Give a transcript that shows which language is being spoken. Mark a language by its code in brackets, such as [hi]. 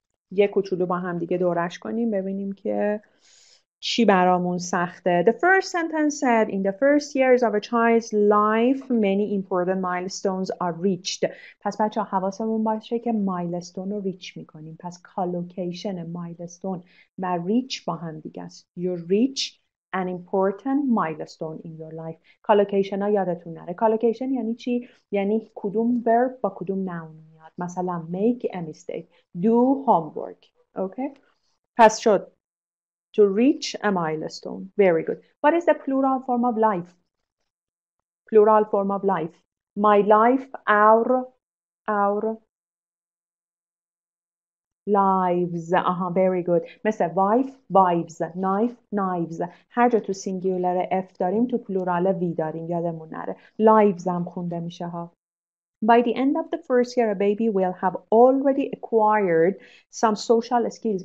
[fa] یک کوچولو با هم دیگه دورش کنیم ببینیم که چی برامون سخته. [en] The first sentence said in the first years of a child's life many important milestones are reached. [fa] پس بچه ها حواسمون باشه که milestone رو reach میکنیم. پس collocation milestone و reach با هم دیگه است. [en] You reach an important milestone in your life. [fa] Collocation ها یادتون نره. Collocation یعنی چی؟ یعنی کدوم verb با کدوم noun میاد. مثلا [en] make a mistake. Do homework. Okay? [fa] پس شد. [en] To reach a milestone. Very good. What is the plural form of life? Plural form of life. My life, our lives. Very good. [fa] مثل wife, wives. Knife, knives. هر جا تو سینگیولر F داریم تو پلورال V داریم. یادمون نره. Lives هم خونده میشه ها. [en] By the end of the first year, a baby will have already acquired some social skills.